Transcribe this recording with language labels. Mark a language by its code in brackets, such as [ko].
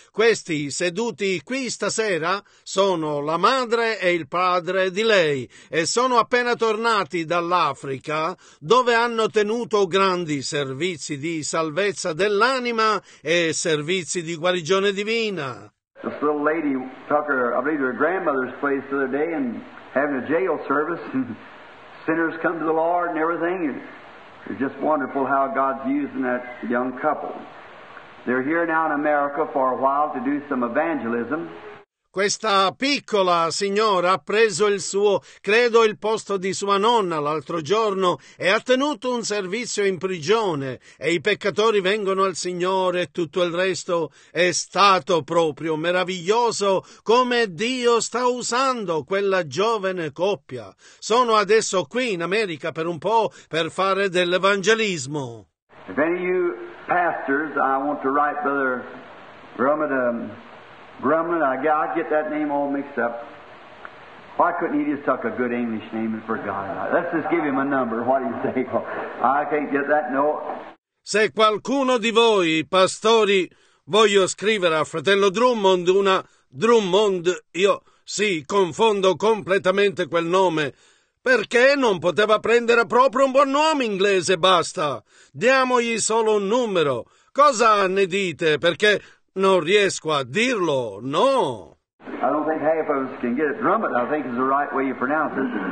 [it] Questi seduti qui stasera sono la madre e il padre di lei e sono appena tornati dall'Africa, dove hanno tenuto grandi servizi di salvezza dell'anima e servizi di guarigione divina. [en] This little lady took her, I believe, to her grandmother's place the other day and having a jail service and sinners come to the Lord and everything. And It's just wonderful how God's using that young couple. They're here now in America for a while to do some evangelism. [it] Questa piccola signora ha preso il suo, credo, il posto di sua nonna l'altro giorno e ha tenuto un servizio in prigione e i peccatori vengono al Signore e tutto il resto è stato proprio meraviglioso come Dio sta usando quella giovane coppia. Sono adesso qui in America per un po' per fare dell'evangelismo. [en] If any of you pastors, I want to write Brother Grumman, I get that name all mixed up. Why couldn't he just tuck a good English name and forgot it? Let's just give him a number. What do you say? I can't get that note. [it] Se qualcuno di voi, pastori, voglio scrivere a fratello Drummond una Drummond, io sì, confondo completamente quel nome. Perché non poteva prendere proprio un buon nome inglese, basta. Diamogli solo un numero. Cosa ne dite? Perché non riesco a dirlo, no. [en] I don't think half of us can get it. Drummond, I think, is the right way you pronounce it.